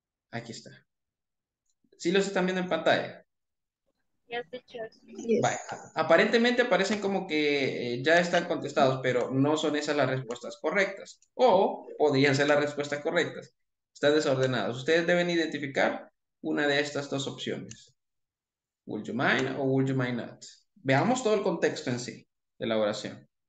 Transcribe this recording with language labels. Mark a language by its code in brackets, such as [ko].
[es] Aquí está. ¿Sí los están viendo en pantalla? Vaya, [en] Yes. [es] aparentemente aparecen como que ya están contestados, pero no son esas las respuestas correctas. O podrían ser las respuestas correctas. Están desordenadas. Ustedes deben identificar una de estas dos opciones. [en] Would you mind o would you mind not? [es] Veamos todo el contexto en sí de la oración.